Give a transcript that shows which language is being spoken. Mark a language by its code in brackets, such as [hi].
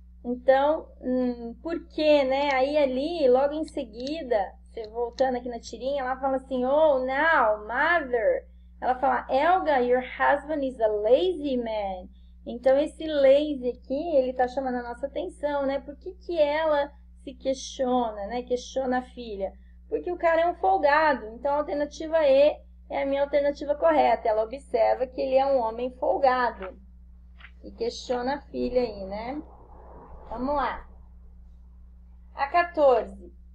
[pt] Então, por quê, né? Aí ali, logo em seguida, você voltando aqui na tirinha, ela fala assim: [en] Oh, now, mother. [pt] Ela fala: [en] Helga, your husband is a lazy man. [pt] Então, esse lazy aqui, ele tá chamando a nossa atenção, né? Por que que ela se questiona, né? Questiona a filha. Porque o cara é um folgado. Então, a alternativa E é a minha alternativa correta. Ela observa que ele é um homem folgado e questiona a filha aí, né? Vamos lá. A 14.